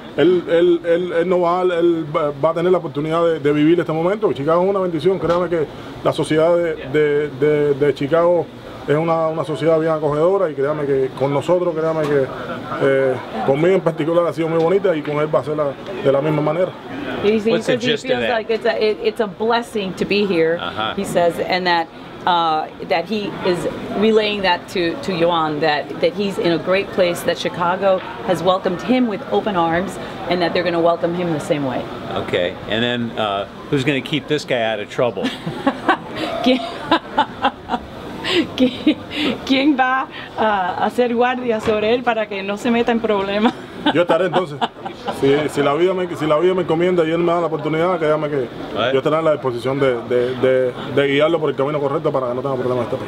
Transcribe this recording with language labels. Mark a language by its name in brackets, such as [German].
[Spanish] Él va a tener la oportunidad de vivir este momento. Chicago es una bendición. Créanme que la sociedad de Chicago es una sociedad bien acogedora, y créanme que con nosotros, créanme que conmigo en particular ha sido muy bonita, y con él va a ser de la misma manera. [English] It's a blessing to be here, uh-huh. He says, and that that he is relaying that to Joan, that he's in a great place, that Chicago has welcomed him with open arms, and that they're going to welcome him the same way. Okay, and then who's going to keep this guy out of trouble? [Spanish] ¿Quién va a hacer guardia sobre él para que no se meta en problemas? Yo estaré entonces. Si la vida me encomienda y él me da la oportunidad, créame que yo estaré en la disposición de guiarlo por el camino correcto para que no tenga problemas.